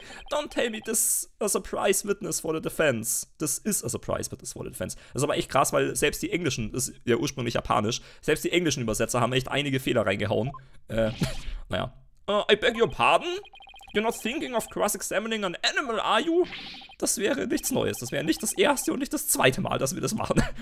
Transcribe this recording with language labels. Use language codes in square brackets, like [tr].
[en] Don't tell me this a surprise witness for the defense. This is a surprise witness for the defense. [de] Das ist aber echt krass, weil selbst die Englischen, das ist ja ursprünglich Japanisch, selbst die englischen Übersetzer haben echt einige Fehler reingehauen. [en] Naja. I beg your pardon? You're not thinking of cross-examining an animal, are you? [de] Das wäre nichts Neues. Das wäre nicht das erste und nicht das zweite Mal, dass wir das machen.